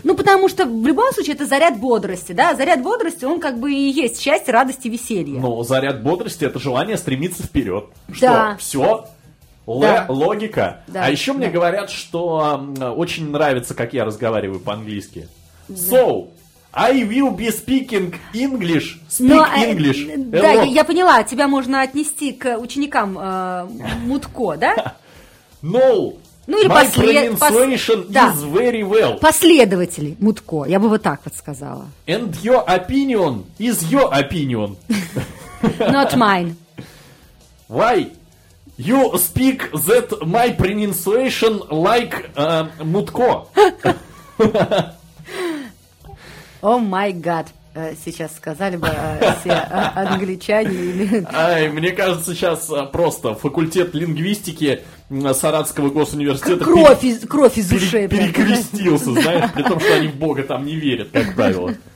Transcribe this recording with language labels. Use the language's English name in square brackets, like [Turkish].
[Russian] Ну, потому что в любом случае это заряд бодрости, да. Заряд бодрости, он как бы и есть счастье, радость и веселье. Но заряд бодрости – это желание стремиться вперед. Что да. Все. Логика. Да. А еще мне говорят, что очень нравится, как я разговариваю по-английски. [English] So… I will be speaking English. English. Hello. [Russian] Да, я поняла, тебя можно отнести к ученикам Мутко, да? [English] No. [Russian] Ну, или [English] pronunciation is very well. [Russian] Последователи Мутко, я бы вот так вот сказала. [English] And your opinion is your opinion. Not mine. Why? You speak that my pronunciation like Мутко. О май гад, [Russian] сейчас сказали бы все англичане. Мне кажется, сейчас просто факультет лингвистики Саратского госуниверситета кровь из ушей перекрестился, знаешь, при том, что они в Бога там не верят, как правило.